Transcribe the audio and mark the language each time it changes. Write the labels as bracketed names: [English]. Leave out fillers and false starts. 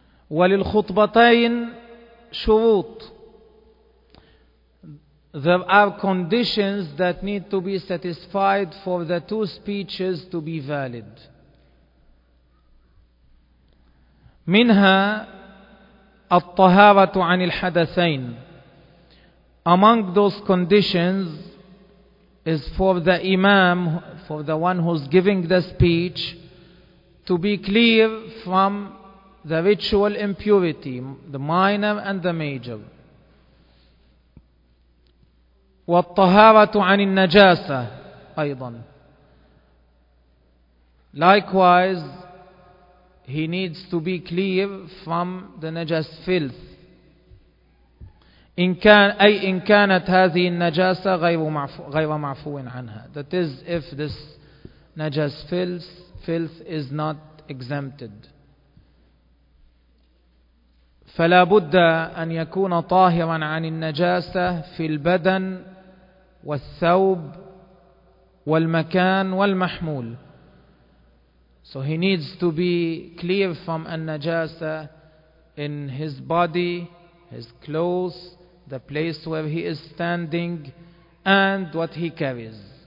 [Arabic] وللخطبتين شروط. [English] There are conditions that need to be satisfied for the two speeches to be valid. [Arabic] منها الطهارة عن الحدثين. [English] Among those conditions is for the imam, for the one who's giving the speech, to be clear from the ritual impurity, the minor and the major. [Arabic] والطهارة عن النجاسة أيضا. [English] Likewise, he needs to be clear from the najas filth. [Arabic] إن كانت هذه النجاسة غير معفو عنها. [English] That is, if this najas filth is not exempted. [Arabic] فلا بد أن يكون طاهرا عن النجاسة في البدن والثوب والمكان والمحمول. [English] So he needs to be clear from النجاسة in his body, his clothes, the place where he is standing, and what he carries.